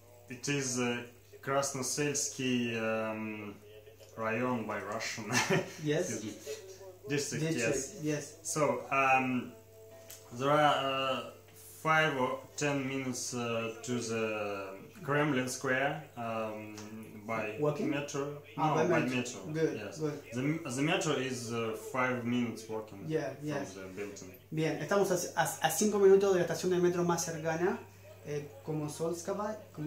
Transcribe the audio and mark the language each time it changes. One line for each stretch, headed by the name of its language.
English: It is Krasnoselsky район by Russian. Yes. District, yes. Yes. So there are 5 or 10 minutes to the Kremlin Square by metro. Good. The metro is 5 minutes walking from the building.
Spanish: Bien, estamos a 5 minutos de la estación de metro más cercana, Komsomolskaya.